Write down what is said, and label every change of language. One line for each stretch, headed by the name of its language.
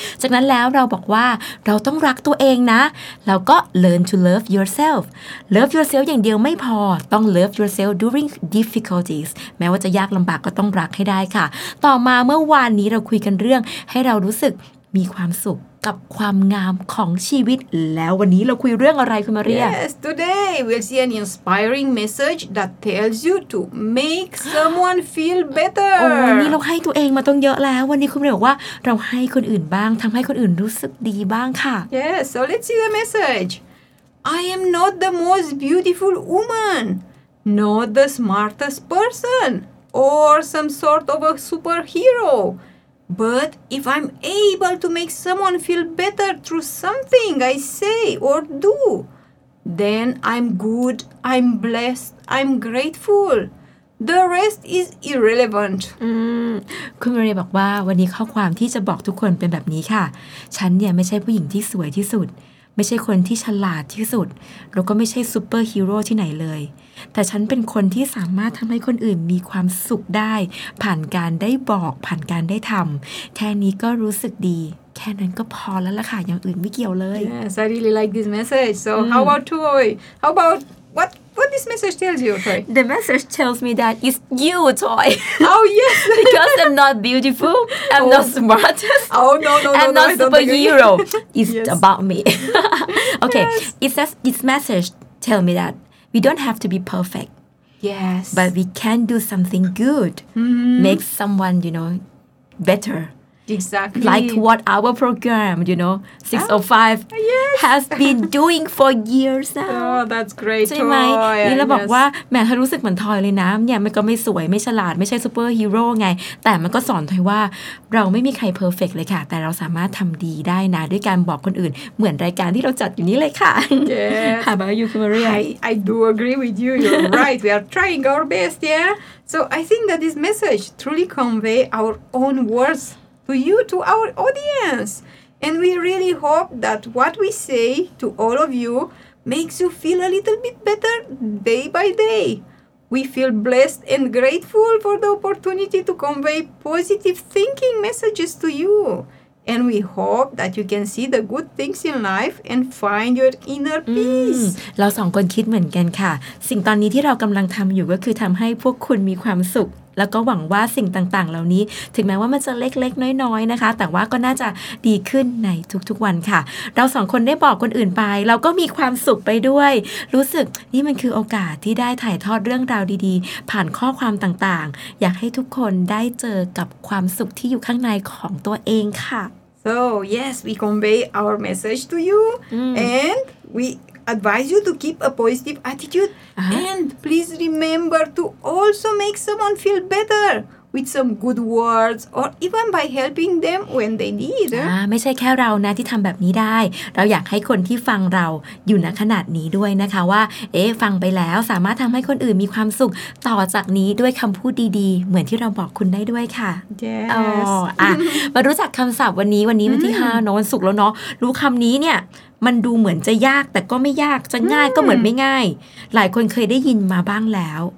Thai: จากนั้นแล้วเราบอกว่าเราต้องรักตัวเองนะแล้วก็
English: Learn to love yourself. Love yourself
Thai: อย่างเดียวไม่พอต้อง
English: Love yourself during difficulties.
Thai: แม้ว่าจะยากลำบากก็ต้องรักให้ได้ค่ะต่อมาเมื่อวานนี้เราคุยกันเรื่องให้เรารู้สึกมีความสุขกับความงามของชีวิตแล้ววันนี้เราคุยเรื่องอะไรคุณมาเรีย
English: Yes today we'll see an inspiring message that tells you to make someone feel better
Thai: วันนี้เราให้ตัวเองมาต้องเยอะแล้ววันนี้คุณมาเรียบอกว่าเราให้คนอื่นบ้างทำให้คนอื่นรู้สึกดีบ้างค่ะ
English: Yes so let's see the message I am not the most beautiful woman not the smartest person or some sort of a superheroBut if I'm able to make someone feel better through something I say or do, then I'm good, I'm blessed, I'm grateful. The rest is irrelevant.
Thai: คุณมาเรียบอกว่าวันนี้ข้อความที่จะบอกทุกคนเป็นแบบนี้ค่ะฉันเนี่ยไม่ใช่ผู้หญิงที่สวยที่สุด ม่ใช่คนที่ฉลาดที่สุดแล้วก็ไม่ใช่ซูเปอร์ฮีโร่ที่ไหนเลยแต่ฉันเป็นคนที่สามารถทำให้คนอื่นมีความสุขได้ผ่านการได้บอกผ่านการได้ทำแค่นี้ก็รู้สึกดีแค่นั้นก็พอแล้วล่ะค่ะอย่างอื่นไม่เกี่ยวเลย
English: Yes, I really like this message. So how about Toy? How about what this message tells you, Toy? The message tells me that it's you, Toy. Oh, yes. Because I'm not beautiful. I'm not smartest. Oh, no. I'm not superhero. It's about me. Okay. Yes. It says, this message tells me that we don't have to be perfect. Yes. But we can do something good. Mm-hmm. Make someone, you know, better. Exactly. Like what our program, you know, 605 has been doing for years now. Oh, that's great.
Thai: ใช่ไหมนี่เราบอกว่าแม่ถ้ารู้สึกเหมือนทอยเลยนะเนี่ยมันก็ไม่สวยไม่ฉลาดไม่ใช่ซูเปอร์ฮีโร่ไงแต่มันก็สอนทอยว่าเราไม่มีใครเพอร์เฟกต์เลยค่ะแต่เราสามารถทำดีได้นะด้วยการบอกคนอื่นเหมือนรายการที่เราจัดอยู่นี้เลยค่ะ
English: Yeah. How about you, Maria? I do agree with you. You're right. We are trying our best, yeah? So I think that this message truly convey our own words. To you, to our audience. And we really hope that what we say to all of you makes you feel a little bit better day by day. We feel blessed and grateful for the opportunity to convey positive thinking messages to you. And we hope that you can see the good things in life and find your inner peace.
Thai: เราสองคนคิดเหมือนกันค่ะสิ่งตอนนี้ที่เรากำลังทำอยู่ก็คือทำให้พวกคุณมีความสุขแล้วก็หวังว่าสิ่งต่างๆเหล่านี้ถึงแม้ว่ามันจะเล็กๆน้อยๆนะคะแต่ว่าก็น่าจะดีขึ้นในทุกๆวันค่ะเราสองคนได้บอกคนอื่นไปเราก็มีความสุขไปด้วยรู้สึกนี่มันคือโอกาสที่ได้ถ่ายทอดเรื่องราวดีๆผ่านข้อความต่างๆอยากให้ทุกคนได้เจอกับความสุขที่อยู่ข้างในของตัวเองค่ะ
English: So yes we convey our message to you and weAdvise you to keep a positive attitude and please remember to also make someone feel better with some good words or even by helping them when they need.
Thai: ไม่ใช่แค่เรานะที่ทำแบบนี้ได้เราอยากให้คนที่ฟังเราอยู่ในขนาดนี้ด้วยนะคะว่าเอ๊ฟังไปแล้วสามารถทำให้คนอื่นมีความสุขต่อจากนี้ด้วยคำพูดดีๆเหมือนที่เราบอกคุณได้ด้วยค่ะ
English: Yes.
Thai: มารู้จักคำศัพท์วันนี้วันที่5เนาะวันศุกร์แล้วเนาะรู้คำนี้เนี่ยมันดูเหมือนจะยากแต่ก็ไม่ยากจะง่ายก็เหมือนไม่ง่ายหลายคนเคยได้ยินมาบ้างแล้ว